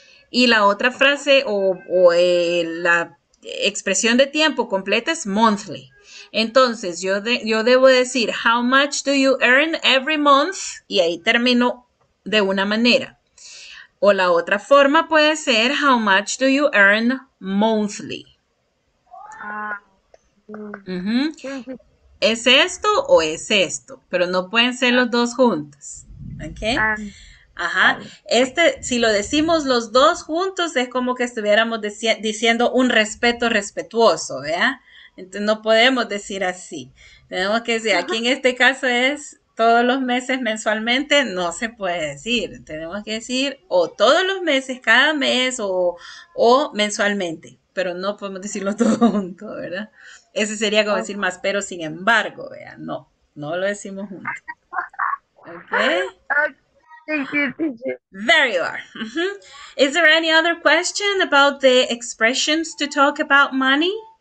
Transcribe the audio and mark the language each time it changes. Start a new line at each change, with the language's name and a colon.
Spanish: Y la otra frase o la expresión de tiempo completa es monthly. Entonces, yo debo decir,
English: how much do you earn every month?
Spanish: Y ahí termino de una manera. O la otra forma puede ser,
English: how much do you earn monthly?
Spanish: ¿Es esto o es esto? Pero no pueden ser los dos juntos. ¿Ok? Este, si lo decimos los dos juntos, es como que estuviéramos diciendo un respeto respetuoso, ¿verdad? Entonces, no podemos decir así. Tenemos que decir, aquí en este caso es todos los meses mensualmente, no se puede decir. Tenemos que decir o todos los meses, cada mes o mensualmente. Pero no podemos decirlo todo junto, ¿verdad? Ese sería como decir más, pero sin embargo, vea, no lo decimos junto. ¿Ok?
English: Thank you. There you are. Is there any other question about the expressions to talk about money?